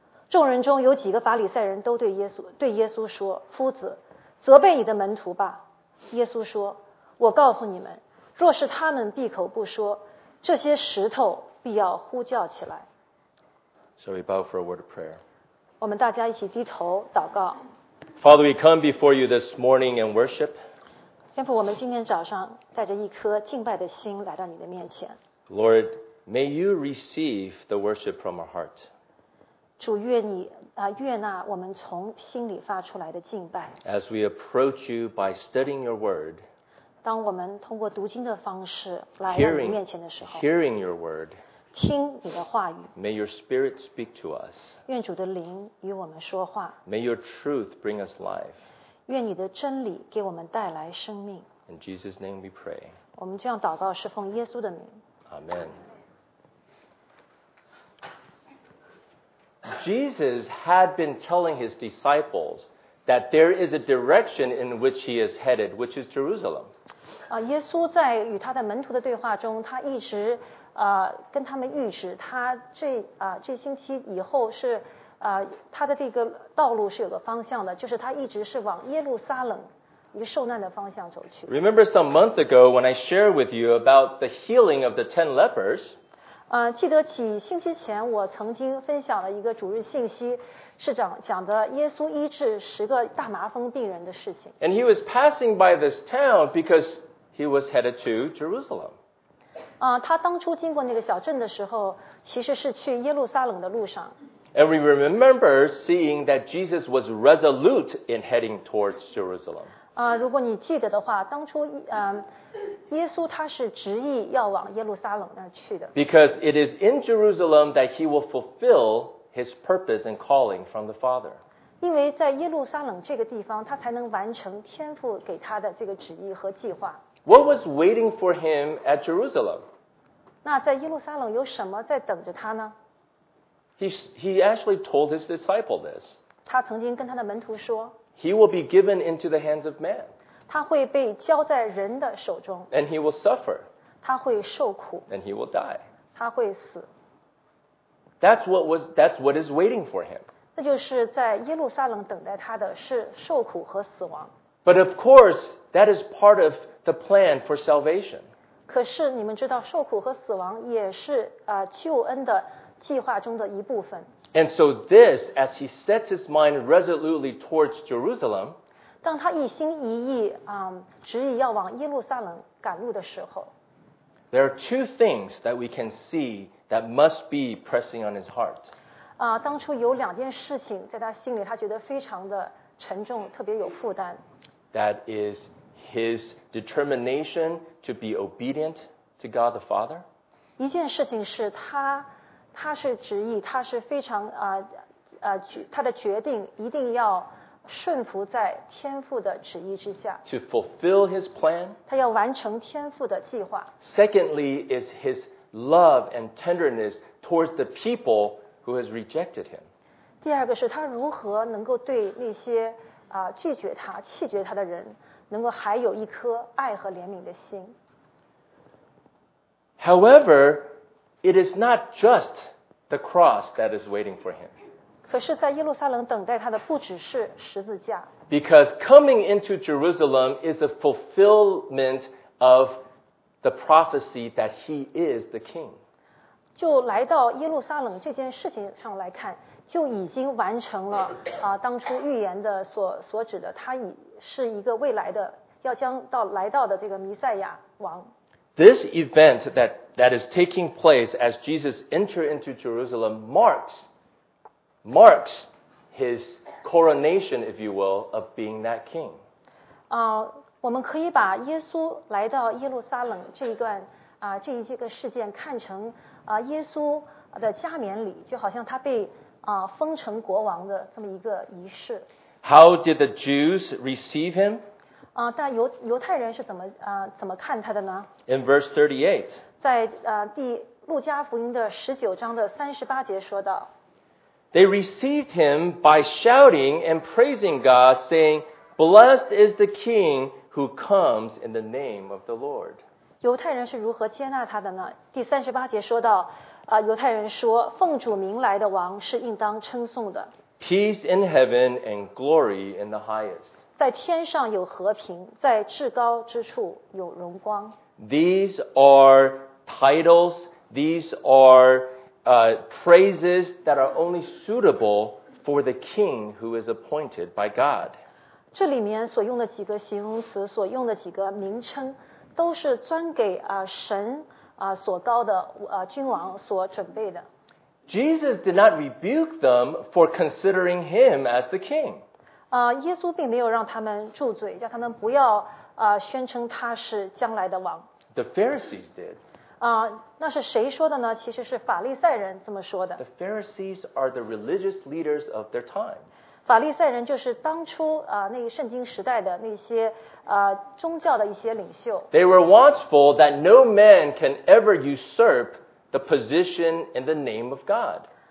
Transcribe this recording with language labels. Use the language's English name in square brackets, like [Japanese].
[Chinese] 众人中有几个法利赛人都对耶稣说，夫子，责备你的门徒吧。耶稣说，我告诉你们，若是他们闭口不说，这些石头必要呼叫起来。 [English] Shall we bow for a word of prayer? [Chinese] 我们大家一起低头祷告。 [English] Father, we come before you this morning and worship. [Chinese] 天父，我们今天早上带着一颗敬拜的心来到你的面前。 [English] Lord, may you receive the worship from our heart. [Chinese] 主，愿你悦纳我们从心里发出来的敬拜。 [English] As we approach you by studying your word, [Chinese] 当我们通过读经的方式来到你面前的时候， [English] hearing your word, [Chinese] 听你的话语， [English] May your spirit speak to us. [Chinese] 愿主的灵与我们说话。 [English] May your truth bring us life. [Chinese] 愿你的真理给我们带来生命。 [English] In Jesus' name we pray. [Chinese] 我们这样祷告是奉耶稣的名。 [English] Amen. Jesus had been telling his disciples that there is a direction in which he is headed, which is Jerusalem. [Chinese] 耶稣在与他的门徒的对话中，他一直跟他们预示，他这星期以后是他的这个道路是有个方向的，就是他一直是往耶路撒冷与受难的方向走去。 [English] Remember some month ago when I shared with you about the healing of the 10 lepers? [Chinese] 记得起星期前我曾经分享了一个主日信息。是讲的耶稣医治十个大麻风病人的事情。 [English] And he was passing by this town because he was headed to Jerusalem. [Chinese] 他当初经过那个小镇的时候，其实是去耶路撒冷的路上。 [English] And we remember seeing that Jesus was resolute in heading towards Jerusalem. [Chinese] 如果你记得的话，当初耶稣他是执意要往耶路撒冷那去的。 [English] Because it is in Jerusalem that he will fulfill His purpose and calling from the Father. [Chinese] 因为在耶路撒冷这个地方，他才能完成天父给他的这个旨意和计划。 [English] What was waiting for him at Jerusalem? [Chinese] 那在耶路撒冷有什么在等着他呢？ [English] He actually told his disciple this. [Chinese] 他曾经跟他的门徒说， [English] He will be given into the hands of man. [Chinese] 他会被交在人的手中。 [English] And he will suffer. [Chinese] 他会受苦。 [English] And he will die. [Chinese] 他会死。 [English] That's what is waiting for him. [Chinese] 那就是在耶路撒冷等待他的是受苦和死亡。 [English] But of course, that is part of the plan for salvation. [Chinese] 可是你们知道，受苦和死亡也是救恩的计划中的一部分。 [English] And so this, as he sets his mind resolutely towards Jerusalem, [Chinese] 当他一心一意执意要往耶路撒冷赶路的时候， [English] there are two things that we can see. That must be pressing on his heart. [Chinese] 当初有两件事情在他心里，他觉得非常的沉重，特别有负担。 [English] That is his determination to be obedient to God the Father. [Chinese] 一件事情是他是执意，他是非常他的决定一定要顺服在天父的旨意之下。 [English] To fulfill his plan. [Chinese] 他要完成天父的计划。 [English] Secondly, is his love and tenderness towards the people who has rejected him. [Chinese] 第二个是他如何能够对那些拒绝他、弃绝他的人，能够还有一颗爱和怜悯的心。 [English] However, it is not just the cross that is waiting for him. [Chinese] 可是在耶路撒冷等待他的不只是十字架。 [English] Because coming into Jerusalem is a fulfillment of the prophecy that he is the king. [Chinese] 就来到耶路撒冷这件事情上来看，就已经完成了当初预言的所指的，他已是一个未来的要将到来到的这个弥赛亚王。 [English] This event that is taking place as Jesus enter into Jerusalem marks his coronation, if you will, of being that king. [Chinese] 我们可以把耶稣来到耶路撒冷这一段这个事件看成耶稣的加冕礼，就好像他被封成国王的这么一个仪式。 [English] How did the Jews receive him? [Chinese] 但犹太人是怎么看他的呢 [English] ？In verse 38， [Chinese] 在第路加福音的19:38说道 [English] ，They received him by shouting and praising God, saying, "Blessed is the King who comes in the name of the Lord." [Chinese] 犹太人是如何接纳他的呢？第三十八节说到，犹太人说，奉主名来的王是应当称颂的。 [English] Peace in heaven and glory in the highest. [Chinese] 在天上有和平，在至高之处有荣光。 [English] These are titles. These are praises that are only suitable for the king who is appointed by God. [Chinese] 这里面所用的几个形容词，所用的几个名称，都是专给神所高的君王所准备的。 [English] Jesus did not rebuke them for considering him as the king. [Chinese] 耶稣并没有让他们住嘴，叫他们不要宣称他是将来的王。 [English] The Pharisees did. [Chinese] 那是谁说的呢？其实是法利赛人这么说的。 [English] The Pharisees are the religious leaders of their time. [Chinese] 法利赛人就是当初那一圣经时代的那些宗教的一些领袖。 [English] They were watchful that no man can ever usurp the position and the name of God.